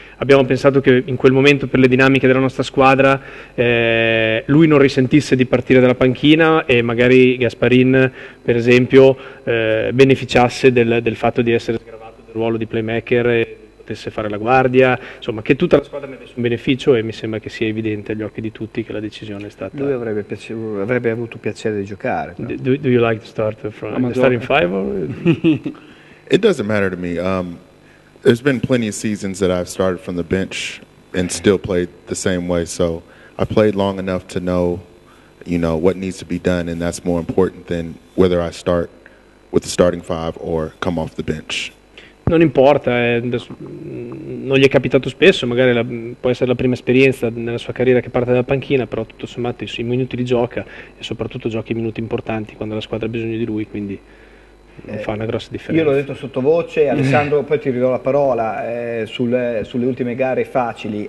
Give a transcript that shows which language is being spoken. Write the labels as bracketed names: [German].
[Italian] abbiamo pensato che in quel momento per le dinamiche della nostra squadra lui non risentisse di partire dalla panchina e magari Gasparin per esempio beneficiasse del fatto di essere sgravato del ruolo di playmaker e potesse fare la guardia, insomma che tutta la squadra ne avesse un beneficio, e mi sembra che sia evidente agli occhi di tutti che la decisione è stata... Lui avrebbe avuto piacere di giocare. [English] Do you like to start from the starting five? Or... It doesn't matter to me. There's been plenty of seasons that I've started from the bench and still played the same way, so I played long enough to know, you know, what needs to be done, and that's more important than whether I start with the starting five or come off the bench. [Italian] Non importa, non gli è capitato spesso, magari può essere la prima esperienza nella sua carriera che parte dalla panchina, però tutto sommato i minuti li gioca e soprattutto gioca i minuti importanti quando la squadra ha bisogno di lui, quindi non fa una grossa differenza. Io l'ho detto sottovoce, Alessandro, poi ti ridò la parola, sulle ultime gare facili.